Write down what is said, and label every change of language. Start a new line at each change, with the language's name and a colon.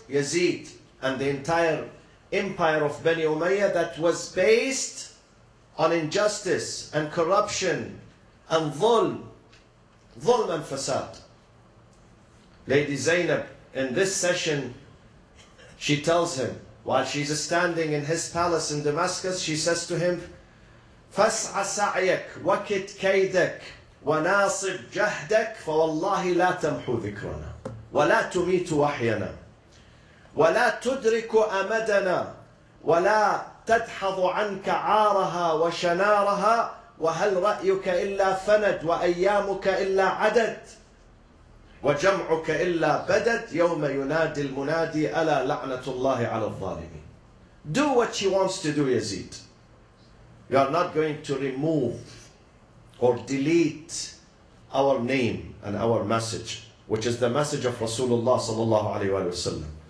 English: Yazid and the entire empire of Bani Umayyah, that was based on injustice and corruption and dhulm. Dhulm and fasad. Lady Zainab, in this session, She tells him, while she's standing in his palace in Damascus, she says to him,
Arabic: فَاسْعَ سَعْيَكْ وَكِتْ كَيْدَكْ وَنَاصِبْ جَهْدَكْ فَوَاللَّهِ لَا تَمْحُو ذِكْرَنَا وَلَا تُمِيتُ وَحْيَنَا وَلَا تُدْرِكُ أَمَدَنَا وَلَا تَدْحَضُ عَنْكَ عَارَهَا وَشَنَارَهَا وَهَلْ رَأْيُكَ إِلَّا فَنَدْ وَأَيَّامُكَ إِلَّا عَدَدْ وجمعك إلا بدد يوم ينادي المنادي ألا لعنة الله على الظالمين.
English: Do what she wants to do, Yazid. You are not going to remove or delete our name and our message, which is the message of Rasulullah صلى الله عليه وسلم.